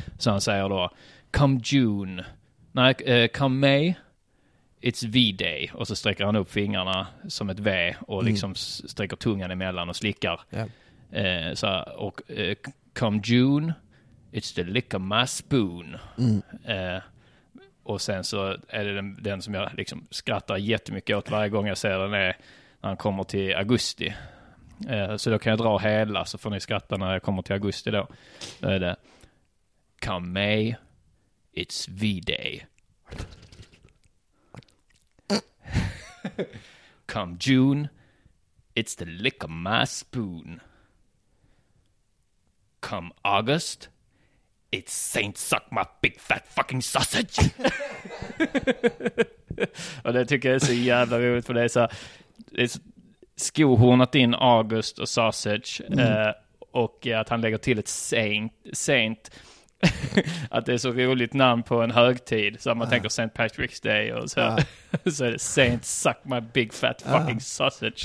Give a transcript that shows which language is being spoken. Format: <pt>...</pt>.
<sv>Så han säger då</sv> <en>come June.</en> <sv>Nej,</sv> <en>come May. It's V-day.</en> <sv>Och så sträcker han upp fingrarna som ett V och liksom sträcker tungan emellan och slickar. Så, och</sv> <en>come June, it's the lick of my spoon.</en> <sv>Och sen så är det den som jag liksom skrattar jättemycket åt varje gång jag ser den är när han kommer till augusti. Så då kan jag dra hela så får ni skratta när jag kommer till augusti då. Då är det</sv> <en>come May, it's V-day. Come June, it's the lick of my spoon. Come August, it's Saint suck my big fat fucking sausage.</en> <sv>Och det tycker jag är så jävla roligt, för det är så, det är så skohornat in August och sausage. Och att han lägger till ett saint. Att det är så roligt namn på en högtid. Så man tänker St. Patrick's Day och så. Så är det</sv> <en>Saint suck my big fat fucking sausage.</en>